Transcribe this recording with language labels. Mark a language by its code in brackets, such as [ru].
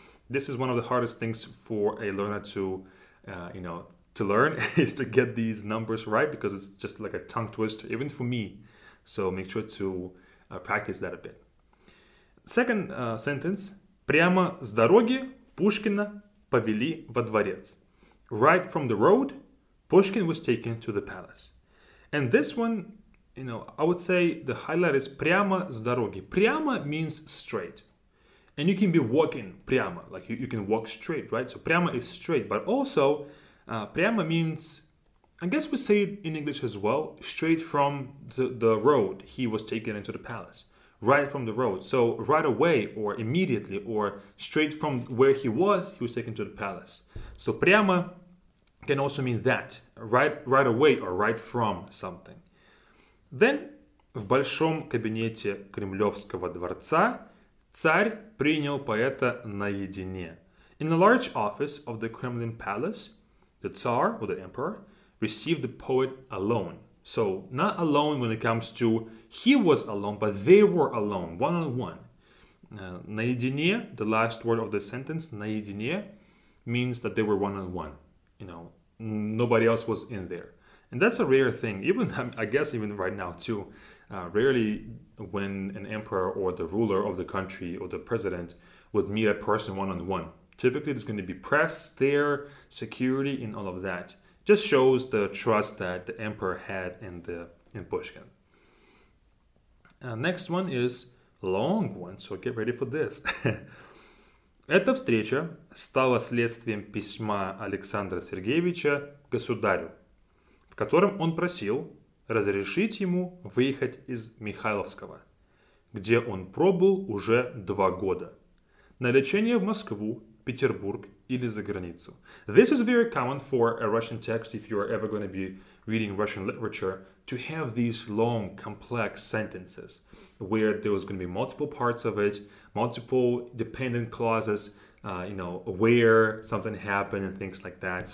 [en] This is one of the hardest things for a learner to learn, is to get these numbers right, because it's just like a tongue twister, even for me. So make sure to practice that a bit. Second sentence. [ru] Прямо с дороги Пушкина повели во дворец. [en] Right from the road, Pushkin was taken to the palace. And this one, you know, I would say the highlight is [ru] прямо с дороги. [en] Прямо means straight. And you can be walking прямо, like you can walk straight, right? So прямо is straight, but also прямо means, I guess we say it in English as well, straight from the road he was taken into the palace. Right from the road. So right away or immediately or straight from where he was taken to the palace. So прямо can also mean that, right away or right from something. [ru] Then, в большом кабинете Кремлевского дворца царь принял поэта наедине. [en] In the large office of the Kremlin palace, the Tsar, or the Emperor, received the poet alone. So, not alone when it comes to he was alone, but they were alone, one-on-one. Наедине, the last word of the sentence, наедине, means that they were one-on-one. You know, nobody else was in there. And that's a rare thing, even I guess even right now too. Rarely when an emperor or the ruler of the country or the president would meet a person one-on-one. Typically, there's going to be press there, security, and all of that. Just shows the trust that the emperor had in Pushkin. Next one is long one, so get ready for this. [ru] Эта встреча стала следствием письма Александра Сергеевича государю, в котором он просил разрешить ему выехать из Михайловского, где он пробыл уже 2 года, на лечение в Москву, Петербург или за границу. [en] This is very common for a Russian text, if you are ever going to be reading Russian literature, to have these long, complex sentences, where there was going to be multiple parts of it, multiple dependent clauses, where something happened and things like that.